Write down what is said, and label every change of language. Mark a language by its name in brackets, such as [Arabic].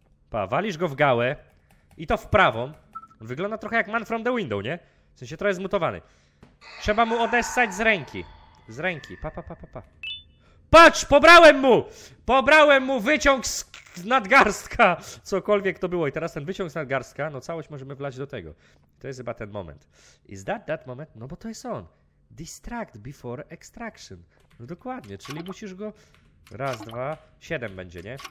[Polish] Pa, walisz go w gałę i to w prawą. Wygląda trochę jak Man from the Window, nie? W sensie trochę zmutowany. Trzeba mu odessać z ręki. Z ręki. Pa, pa, pa, pa, pa. Patrz, pobrałem mu! Pobrałem mu wyciąg z nadgarstka! Cokolwiek to było. I teraz ten wyciąg z nadgarstka, no całość możemy wlać do tego. To jest chyba ten moment. [English] Is that that moment? [Polish] No bo to jest on. [English] Distract before extraction. [Polish] No dokładnie, czyli musisz go... Raz, dwa, siedem będzie, nie?